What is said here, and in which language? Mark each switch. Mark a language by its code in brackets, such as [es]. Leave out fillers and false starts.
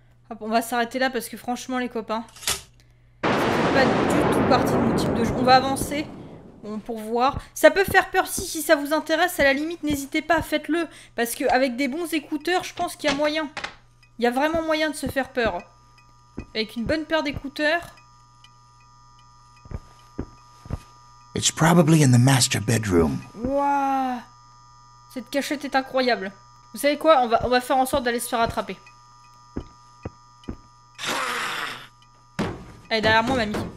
[fr] Hop, on va s'arrêter là parce que franchement, les copains, ça fait pas du tout partie de mon type de jeu. On va avancer. Bon, pour voir. Ça peut faire peur si ça vous intéresse, à la limite, n'hésitez pas, faites-le. Parce que avec des bons écouteurs, je pense qu'il y a moyen. Il y a vraiment moyen de se faire peur. Avec une bonne paire d'écouteurs. [en] It's probably in the master bedroom. Waouh. [fr] Cette cachette est incroyable. Vous savez quoi, on va faire en sorte d'aller se faire attraper. Elle est derrière moi, mamie.